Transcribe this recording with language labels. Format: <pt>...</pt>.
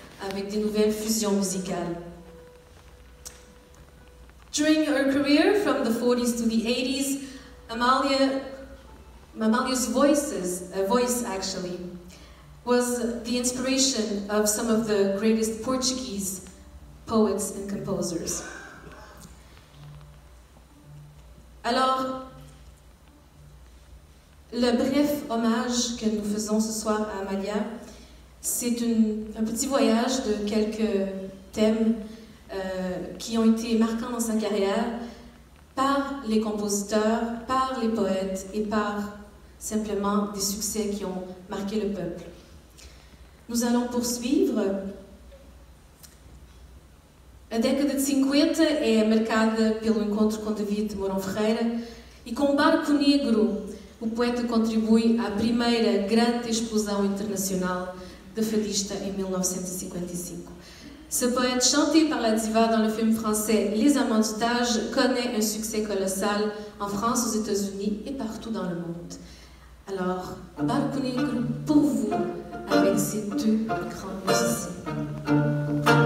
<fr>Avec des nouvelles fusions musicales.</fr> <en>During her career from the 40s to the 80s, Amália's voice was the inspiration of some of the greatest Portuguese poets and composers.</en> <fr>Alors, le bref hommage que nous faisons ce soir à Amália. C'est un petit voyage de quelques thèmes qui ont été marquants dans sa carrière par les compositeurs, par les poètes et par simplement des succès qui ont marqué le peuple. Nous allons poursuivre.</fr> <pt>A década de 50 é marcada pelo encontro com David de Mourão Ferreira e com Barco Negro, o poeta contribui à primeira grande explosão internacional de fadista em 1955.</pt> <fr>Ce poète chanté par la diva dans le film français Les Amants du Tage connaît un succès colossal en France, aux États-Unis et partout dans le monde. Alors, Barco Negro pour vous avec ces deux grands musiciens.</fr>